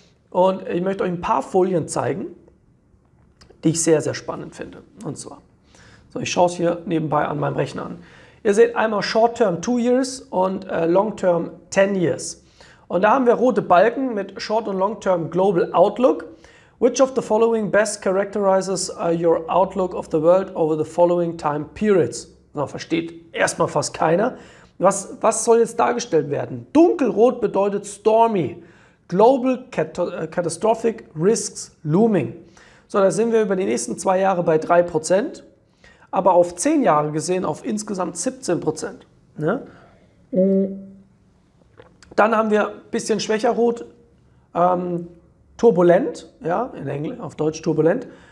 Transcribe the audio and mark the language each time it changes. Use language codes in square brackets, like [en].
[de] Und ich möchte euch ein paar Folien zeigen, die ich sehr, sehr spannend finde. Und zwar, so, ich schaue es hier nebenbei an meinem Rechner an. Ihr seht einmal Short Term 2 Years und Long Term 10 Years. Und da haben wir rote Balken mit Short und Long Term Global Outlook. [en] Which of the following best characterizes your outlook of the world over the following time periods? [de] Na, versteht erstmal fast keiner. Was soll jetzt dargestellt werden? Dunkelrot bedeutet stormy. [en] Global catastrophic risks looming. [de] So, da sind wir über die nächsten 2 Jahre bei 3%. Aber auf 10 Jahre gesehen auf insgesamt 17%. Ne? Dann haben wir ein bisschen schwächer rot, turbulent, ja, in Englisch, auf Deutsch turbulent.